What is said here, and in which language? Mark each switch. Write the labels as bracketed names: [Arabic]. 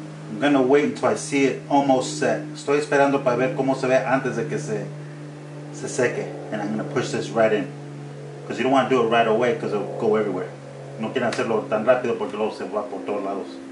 [English] I'm gonna wait until I see it almost set. [Spanish] Estoy esperando para ver cómo se ve antes de que se seque. [English] And I'm gonna push this right in. Because you don't want to do it right away because it'll go everywhere. [Spanish] No quieren hacerlo tan rápido porque luego se va por todos lados.